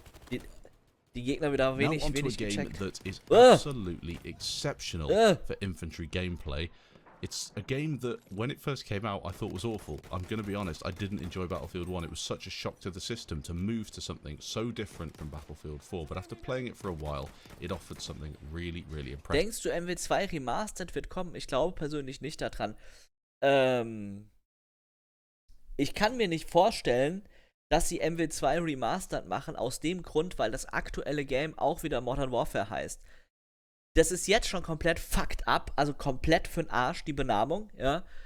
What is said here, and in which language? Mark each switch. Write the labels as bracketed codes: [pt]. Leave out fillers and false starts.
[de] Die Gegner wieder wenig gecheckt. [en] Now onto a game [de] gecheckt. [en] That is absolutely exceptional for infantry gameplay. It's a game that, when it first came out, I thought was awful. I'm going to be honest, I didn't enjoy Battlefield 1. It was such a shock to the system to move to something so different from Battlefield 4. But after playing it for a while, it offered something really, really impressive. [de] Denkst du, MW2 Remastered wird kommen? Ich glaube persönlich nicht daran. Ich kann mir nicht vorstellen, dass sie MW2 Remastered machen, aus dem Grund, weil das aktuelle Game auch wieder Modern Warfare heißt. Das ist jetzt schon komplett fucked up, also komplett für den Arsch, die Benamung, ja.